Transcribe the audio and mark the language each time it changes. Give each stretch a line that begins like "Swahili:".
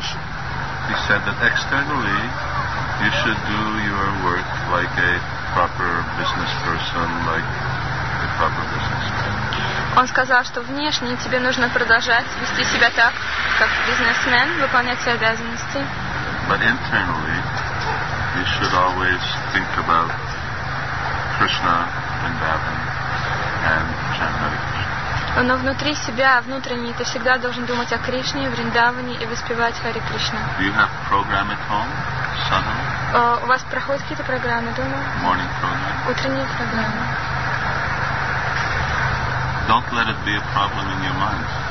English: He said that externally you should do your work like a proper business person, like a proper businessman.
Russian: Он сказал, что внешне тебе нужно продолжать вести себя так, как бизнесмен, выполнять свои обязанности.
English: But internally you should always think about Krishna, Vrindavan and Chandrakrishna.
Russian: Но внутри себя, внутренне, ты всегда должен думать о Кришне, Вриндаване и воспевать Харе Кришна.
English: Do you have program at home, Sana?
Russian: У вас проходят какие-то программы дома?
English: Morning program.
Russian: Утренние программы.
English: Don't let it be a problem in your mind.